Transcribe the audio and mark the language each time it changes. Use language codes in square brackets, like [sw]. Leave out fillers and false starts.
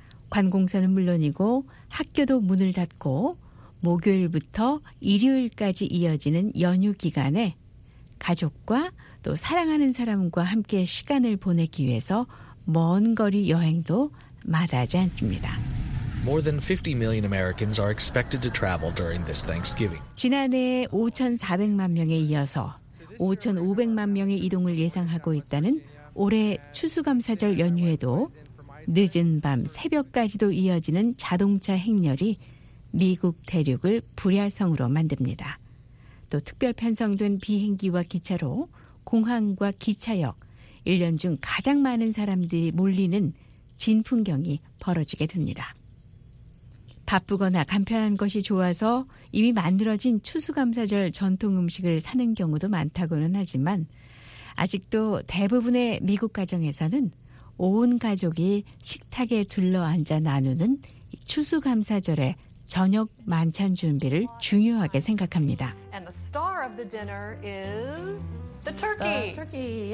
[ko] 관공서는 물론이고 학교도 문을 닫고 목요일부터 일요일까지 이어지는 연휴 기간에 가족과 또 사랑하는 사람과 함께 시간을 보내기 위해서 먼 거리 여행도 마다하지 않습니다. [en] More than 50 million Americans are expected to travel during this Thanksgiving. [ko] 지난해 5,400만 명에 이어서 5,500만 명의 이동을 예상하고 있다는 올해 추수감사절 연휴에도 늦은 밤 새벽까지도 이어지는 자동차 행렬이 미국 대륙을 불야성으로 만듭니다. 또 특별 편성된 비행기와 기차로 공항과 기차역, 1년 중 가장 많은 사람들이 몰리는 진풍경이 벌어지게 됩니다. 바쁘거나 간편한 것이 좋아서 이미 만들어진 추수감사절 전통 음식을 사는 경우도 많다고는 하지만 아직도 대부분의 미국 가정에서는 온 가족이 식탁에 둘러앉아 나누는 추수감사절의 저녁 만찬 준비를 중요하게 생각합니다. [en] And the star of the dinner is the turkey.